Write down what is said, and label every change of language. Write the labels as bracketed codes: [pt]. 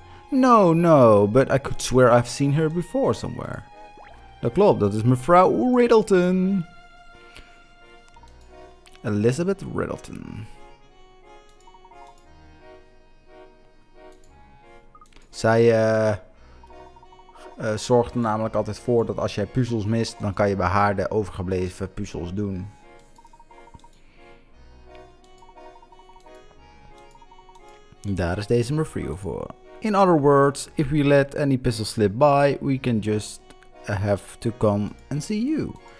[en] No, no, but I could swear I've seen her before somewhere. [nl] Dat klopt, dat is mevrouw Riddleton. Elizabeth Riddleton. Zij zorgt er namelijk altijd voor dat als jij puzzels mist, dan kan je bij haar de overgebleven puzzels doen. Daar is deze mevrouw voor. [en] In other words, if we let any puzzle slip by, we can just have to come and see you.